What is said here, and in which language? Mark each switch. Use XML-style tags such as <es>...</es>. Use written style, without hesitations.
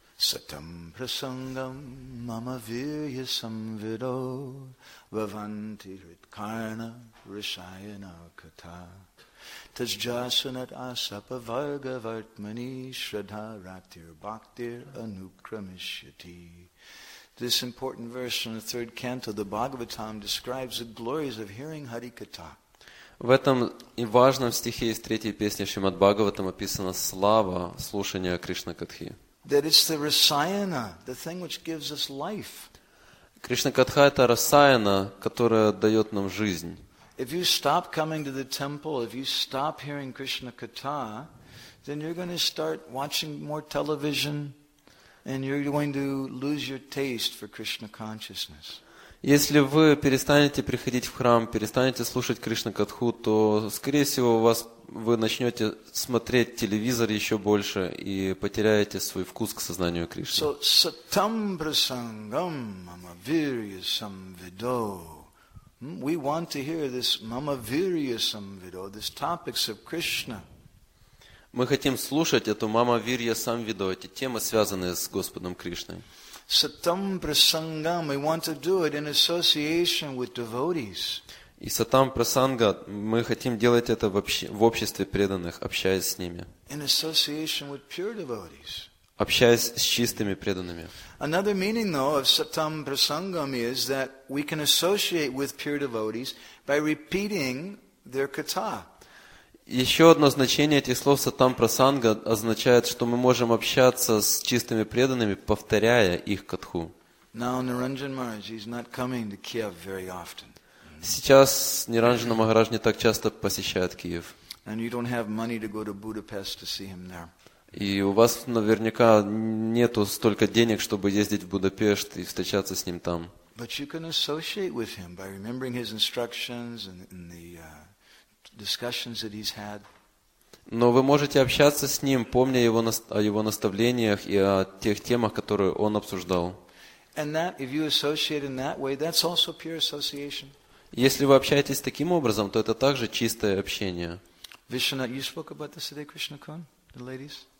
<sa>Satam prasangam mama virya samvido vavanti ritkarna rishayana kata tajjasanat asapa varga vartmani shraddha ratir bhaktir anukramishyati.</sa> <en>This important verse in the third canto of the Bhagavatam describes the glories of hearing Harikata.</en> <ru>В этом и важном стихе из третьей песни Шримад Бхагаватам описана слава слушания Кришна Катхи.</ru> <en>That it's the rasayana, the thing which gives us life.</en> <ru>Krishna katha это rasayana, которая даёт нам жизнь.</ru> <en>If you stop coming to the temple, if you stop hearing Krishna katha, then you're going to start watching more television and you're going to lose your taste for Krishna consciousness.</en> <ru>Если вы перестанете приходить в храм, перестанете слушать Кришна катху, то скорее всего у вас вы начнете смотреть телевизор еще больше и потеряете свой вкус к сознанию Кришны.</ru> <en>We want to hear this</en> <sa>mama virya samvido,</sa> <en>this topics of Krishna.</en> <ru>Мы хотим слушать эту мама вирья самвидо, эти темы, связанные с Господом Кришной.</ru> <en>Satam prasangam, we want to do it in association with devotees.</en> <ru>И сатам прасанга, мы хотим делать это в обществе преданных, общаясь с ними.</ru> <en>In association with pure devotees.</en> <ru>Общаясь с чистыми преданными.</ru> <en>Another meaning, though, of satam prasangam is that we can associate with pure devotees by repeating their katha.</en> <ru>Еще одно значение этих слов сатам прасанга означает, что мы можем общаться с чистыми преданными, повторяя их катху.</ru> <en>Now Niranjan Maharaj is not coming to Kiev very often.</en> <ru>Сейчас Ниранджана Махарадж не так часто посещает Киев.</ru> <en>And you don't have money to go to Budapest to see him there.</en> <ru>И у вас наверняка нету столько денег, чтобы ездить в Будапешт и встречаться с ним там.</ru> <en>But you can associate with him by remembering his instructions and in the discussions that he's had.</en> <ru>Но вы можете общаться с ним, помня его о его наставлениях и о тех темах, которые он обсуждал.</ru> <en>And that, if you associate in that way, that's also pure association.</en> <ru>Если вы общаетесь таким образом, то это также чистое общение.</ru> <en>Vishwanath, you spoke about this today, Krishna Kun, the ladies?</en>